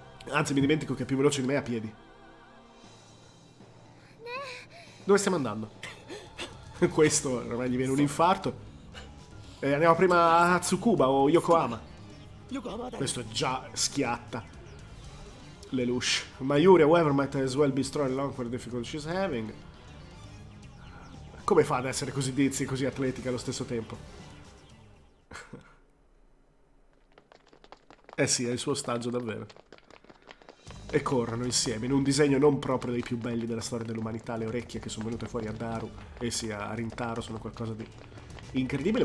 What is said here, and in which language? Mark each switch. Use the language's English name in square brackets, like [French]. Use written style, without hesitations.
[Italian] Anzi, mi dimentico che è più veloce di me a piedi. Dove stiamo andando? Questo ormai gli viene un infarto. E andiamo prima a Tsukuba o Yokohama. Questo è già schiatta. Lelouch. [English] Mayuri, however, might as well be strong along for the difficulty she's having. [Italian] Come fa ad essere così dizzy e così atletica allo stesso tempo? Eh sì, è il suo ostaggio davvero. E corrono insieme in un disegno non proprio dei più belli della storia dell'umanità. Le orecchie che sono venute fuori a Daru e sì, a Rintaro, sono qualcosa di incredibile.